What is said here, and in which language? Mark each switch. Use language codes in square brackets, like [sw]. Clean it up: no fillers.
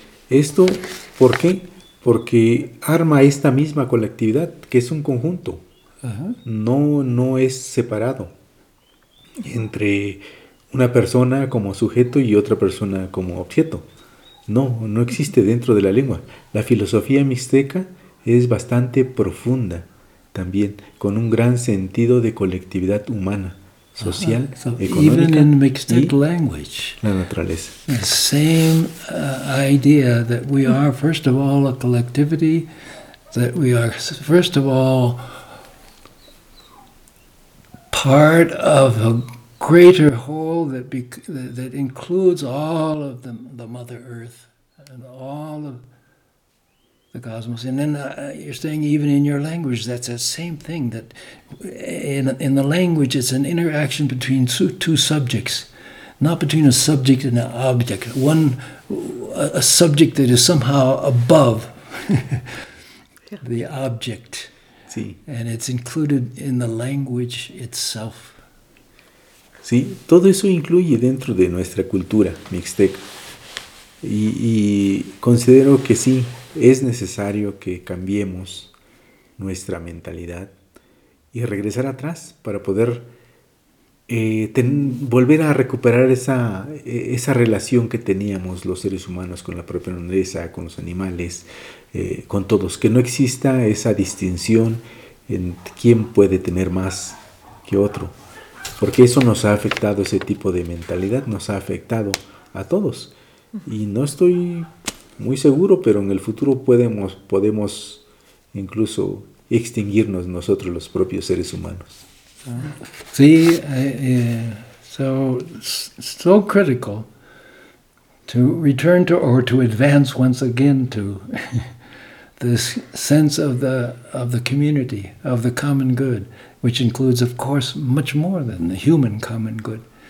[es] ¿Esto por qué? Porque arma esta misma colectividad, que es un conjunto, no es separado entre una persona como sujeto y otra persona como objeto. No existe dentro de la lengua. La filosofía mixteca es bastante profunda también, con un gran sentido de colectividad humana, social, económica. [en] Even in mixtec language. [es] La naturaleza. [en] The same idea that we are first of all a collectivity, that we are first of all part of a greater whole that includes all of the Mother Earth and all of the cosmos. And then you're saying even in your language, that's that same thing, that in the language it's an interaction between two subjects, not between a subject and an object. One, a subject that is somehow above the object. [es] Sí. [en] And it's included in the language itself. [es] Sí, todo eso incluye dentro de nuestra cultura mixteca. Y considero que sí, es necesario que cambiemos nuestra mentalidad y regresar atrás para poder volver a recuperar esa relación que teníamos los seres humanos con la propia naturaleza, con los animales, con todos. Que no exista esa distinción en quién puede tener más que otro. Porque eso nos ha afectado, ese tipo de mentalidad nos ha afectado a todos. Y no estoy muy seguro, pero en el futuro podemos incluso extinguirnos nosotros, los propios seres humanos. [en] Sí, so critical to return to or to advance once again to this sense of the community, of the common good, which includes, of course, much more than the human common good.